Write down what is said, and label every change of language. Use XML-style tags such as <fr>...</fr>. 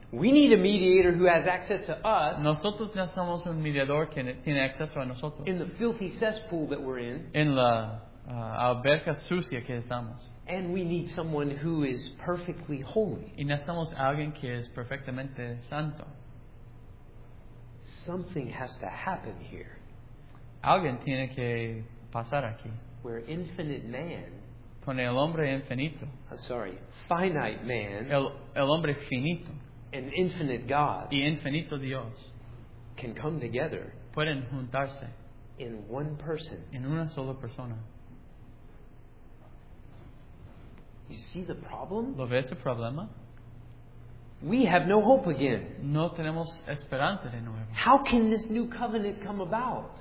<en>We need a mediator who has access to us.</en> <es>Nosotros necesitamos un mediador que tiene acceso a nosotros.</es> <en>In the filthy cesspool that we're in.</en> <es>En la alberca sucia que estamos.</es> <en>And we need someone who is perfectly holy.</en> <es>Y necesitamos alguien que es perfectamente santo.</es> <en>Something has to happen here.</en> <es>Alguien tiene que pasar aquí.</es> <en>Where infinite man.</en> <es>Con el hombre infinito.</es> <en>Finite man.</en> <es>El hombre finito.</es> <en>And infinite God.</en> <es>Y infinito Dios.</es> <en>Can come together.</en> <es>Pueden juntarse.</es> <en>In one person.</en> <es>En una sola persona.</es> <en>You see the problem?</en> <es>¿Lo ves el problema?</es> <en>We have no hope again.</en> <es>No tenemos esperanza de nuevo.</es> <en>How can this new covenant come about?</en>